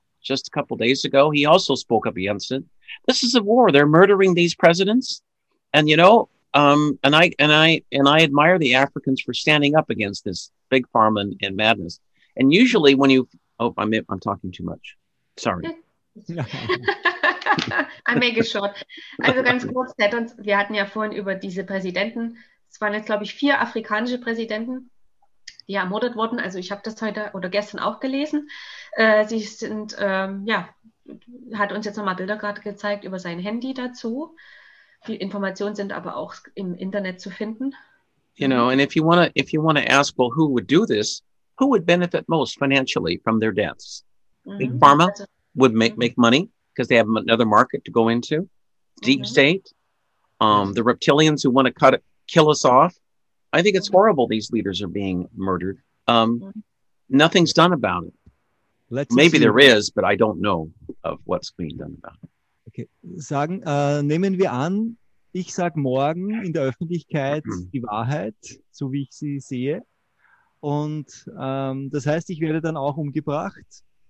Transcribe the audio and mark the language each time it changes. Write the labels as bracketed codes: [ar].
[en] Just a couple days ago, he also spoke up against it. This is a war. They're murdering these presidents. And, you know, and I admire the Africans for standing up against this big pharma and madness. And usually when you, oh, I'm talking too much. Sorry. I make it short. [de] Also ganz kurz, wir hatten ja vorhin über diese Präsidenten. Es waren jetzt, glaube ich, 4 afrikanische Präsidenten. Ja, ermordet worden. Also ich habe das heute oder gestern auch gelesen. Sie sind, ja, hat uns jetzt nochmal Bilder gerade gezeigt über sein Handy dazu. Die Informationen sind aber auch im Internet zu finden. [en] You know, and if you want to ask, well, who would do this, who would benefit most financially from their deaths? Big Pharma would make money because they have another market to go into. Deep State, the reptilians who want to kill us off. I think it's horrible these leaders are being murdered. Nothing's done about it. Maybe there is, but I don't know of what's being done about it. [de] Okay, nehmen wir an, ich sage morgen in der Öffentlichkeit die Wahrheit, so wie ich sie sehe. Und das heißt, ich werde dann auch umgebracht.